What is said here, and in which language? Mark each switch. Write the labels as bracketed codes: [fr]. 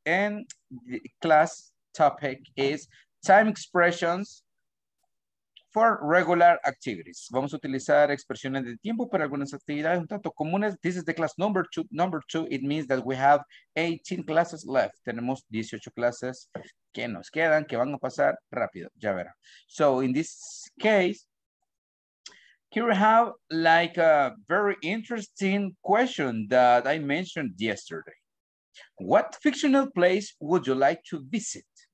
[en] And the class topic is time expressions for regular activities. [es] Vamos a utilizar expresiones de tiempo para algunas actividades un tanto comunes. [en] This is the class number two. Number two, it means that we have 18 classes left. [es] Tenemos 18 clases que nos quedan, que van a pasar rápido. Ya verá. [en] So in this case, here we have like a very interesting question that I mentioned yesterday. What fictional place would you like to visit?